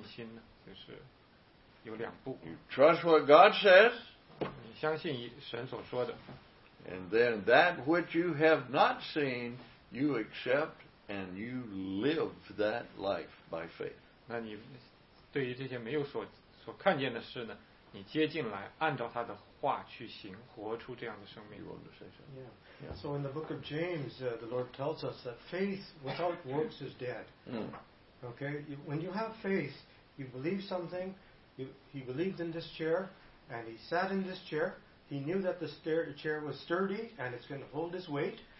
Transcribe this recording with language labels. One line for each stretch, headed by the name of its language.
Chinese: 所以我今天上午对你们的问题就是，你们有没有按照合圣经的方式来做这个信心呢？就是有两步。
English: You trust what God says.
Chinese: 你相信神所说的。
English: And then that which you have not seen, you accept and you live that life by faith.
Chinese: 那你对于这些没有所看见的事呢？你接近来按照他的话去行，活出这样的生命。
English: So in the book of James, the Lord tells us that faith without works is dead. Okay, when you have faith, you believe something. He believed in this chair, and he sat in this chair. He knew that the chair was sturdy and it's going to hold his weight.